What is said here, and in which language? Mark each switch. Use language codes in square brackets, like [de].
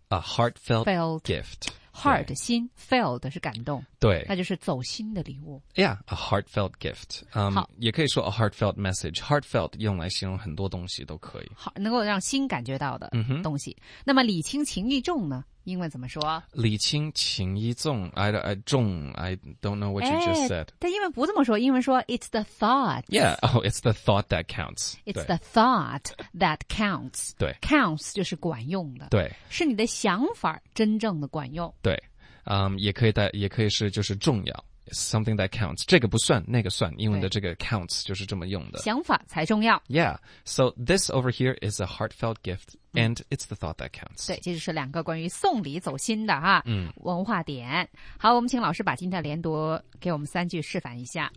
[en] gift。 [zh] Heart 心 ，felt 是感动，对，那就是走心的礼物。 [en] Yeah， a heartfelt gift。 [zh] 好，也可以说 [en] a heartfelt message。 [zh] Heartfelt 用来形容很多东西都可以。好，能够让心感觉到的东西。嗯、那么礼轻情意重呢？英文怎么说？礼轻情意重 [en] ，I don't know what you just said。 [zh] 但英文不这么说，英文说 [en] it's the thought。 Yeah， oh， it's the thought that counts。 It's the thought that counts。 [zh] 对，counts 就是管用的。对，是你的想法真正的管用。对，也可以带，也可以是就是重要。 [en] Something that counts， [zh] 这个不算，那个算。英文的这个 counts 就是这么用的。想法才重要。 [en] Yeah， so this over here is a heartfelt gift，、嗯、and it's the thought that counts。 [zh] 对，这就是两个关于送礼走心的哈、嗯、文化点。好，我们请老师把今天的连读给我们三句示范一下。